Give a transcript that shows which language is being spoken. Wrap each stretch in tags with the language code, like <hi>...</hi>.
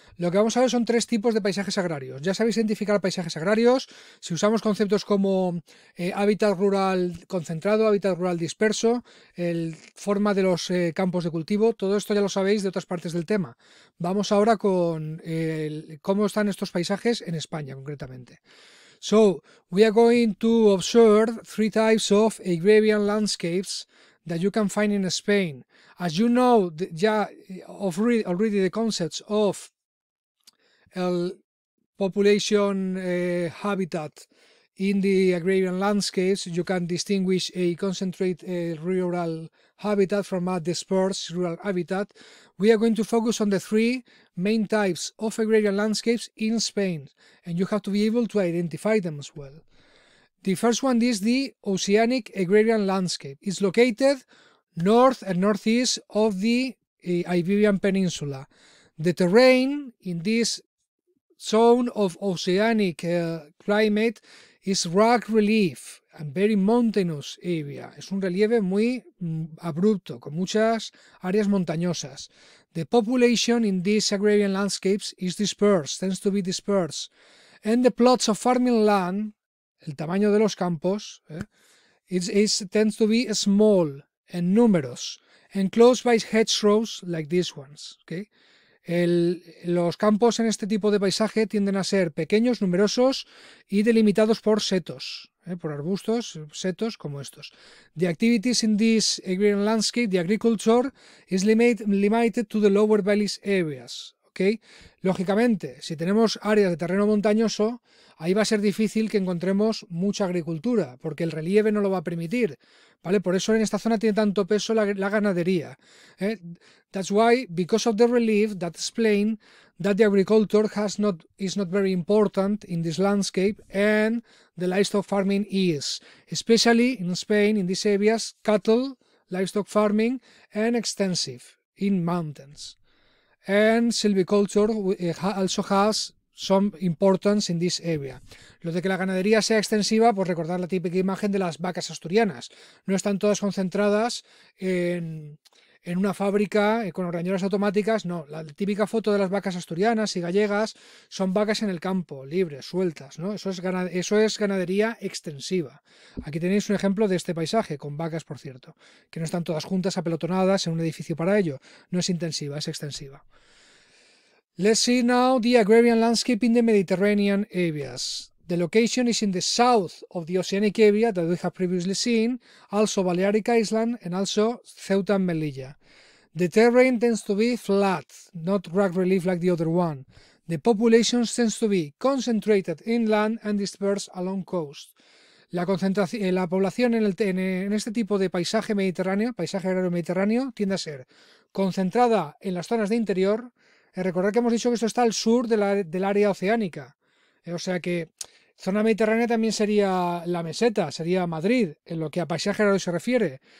<es>Lo que vamos a ver son tres tipos de paisajes agrarios. Ya sabéis identificar paisajes agrarios. Si usamos conceptos como hábitat rural concentrado, hábitat rural disperso, el forma de los campos de cultivo, todo esto ya lo sabéis de otras partes del tema. Vamos ahora con cómo están estos paisajes en España concretamente.</es> <en>So, we are going to observe three types of agrarian landscapes that you can find in Spain. As you know, already the concepts of population habitat in the agrarian landscapes, you can distinguish a concentrated rural habitat from a dispersed rural habitat. We are going to focus on the three main types of agrarian landscapes in Spain, and you have to be able to identify them as well. The first one is the oceanic agrarian landscape. It's located north and northeast of the Iberian Peninsula. The terrain in this zone of oceanic climate is rock relief and very mountainous area.</en> <es>Es un relieve muy abrupto, con muchas áreas montañosas.</es> <en>The population in these agrarian landscapes is dispersed, tends to be dispersed. And the plots of farming land,</en> <es>el tamaño de los campos,</es> <en>tends to be small and numerous, enclosed by hedgerows like these ones. Okay?</en> <es>Los campos en este tipo de paisaje tienden a ser pequeños, numerosos y delimitados por setos, por arbustos, setos como estos.</es> <en>The activities in this agrarian landscape, the agriculture, is limited to the lower valleys areas. Okay?</en> <es>Lógicamente, si tenemos áreas de terreno montañoso, ahí va a ser difícil que encontremos mucha agricultura, porque el relieve no lo va a permitir. ¿Vale? Por eso en esta zona tiene tanto peso la ganadería.</es> <en>That's why, because of the relief, that explain that the agriculture is not very important in this landscape and the livestock farming is, especially in Spain, in these areas, cattle, livestock farming, and extensive in mountains. And silviculture also has some importance in this area.</en> <es>Lo de que la ganadería sea extensiva, pues recordar la típica imagen de las vacas asturianas. No están todas concentradas en una fábrica con ordeñadoras automáticas, no. La típica foto de las vacas asturianas y gallegas son vacas en el campo, libres, sueltas, ¿no? Eso es ganadería extensiva. Aquí tenéis un ejemplo de este paisaje, con vacas, por cierto, que no están todas juntas, apelotonadas en un edificio para ello. No es intensiva, es extensiva.</es> <en>Let's see now the agrarian landscape in the Mediterranean areas. The location is in the south of the oceanic area that we have previously seen, also Balearic Island and also Ceuta and Melilla. The terrain tends to be flat, not rock relief like the other one. The population tends to be concentrated inland and dispersed along coast.</en> <es>La población en este tipo de paisaje mediterráneo, paisaje agrario mediterráneo, tiende a ser concentrada en las zonas de interior. Recordad que hemos dicho que esto está al sur del área oceánica. O sea que zona mediterránea también sería la meseta, sería Madrid, en lo que a paisaje agrario se refiere.</es>